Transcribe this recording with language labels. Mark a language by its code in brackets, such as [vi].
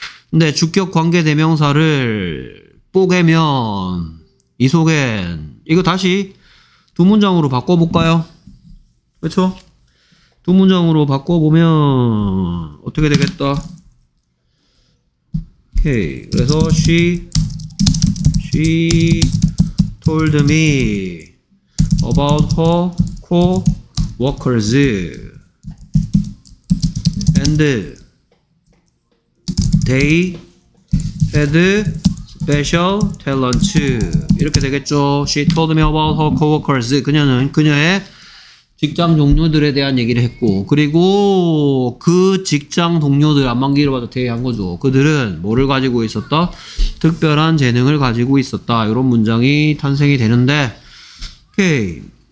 [ko] 근데 주격 관계 대명사를 뽀개면 이 속엔, 이거 다시 두 문장으로 바꿔볼까요? 그렇죠? 두 문장으로 바꿔보면 어떻게 되겠다? 오케이. 그래서 [en] she told me about her co-workers and they had special talent. [ko] 이렇게 되겠죠. [en] She told me about her co-workers. [ko] 그녀는 그녀의 직장 동료들에 대한 얘기를 했고, 그리고 그 직장 동료들, 안만 길어봐도 대의한 거죠. 그들은 뭐를 가지고 있었다? 특별한 재능을 가지고 있었다. 이런 문장이 탄생이 되는데, 오케이.